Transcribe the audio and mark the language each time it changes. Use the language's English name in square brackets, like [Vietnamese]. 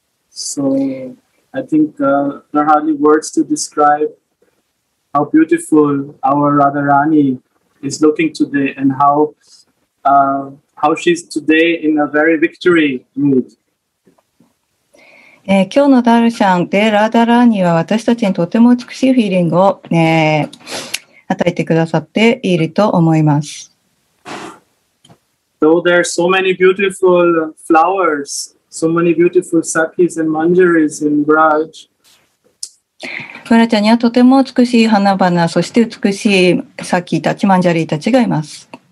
[English] So I think there are hardly words to describe how beautiful our Radharani is looking today, and how she's today in a very victory mood. [Japanese] 今日のダルシャンでラダラーニは私たちにとても美しいフィーリングを、与えてくださっていると思います。 [English] Though there are so many beautiful flowers, so many beautiful sakis and manjaris in Braj, [Japanese] ブラジャにはとても美しい花々、そして美しいサキたち、マンジャリーたちがいます。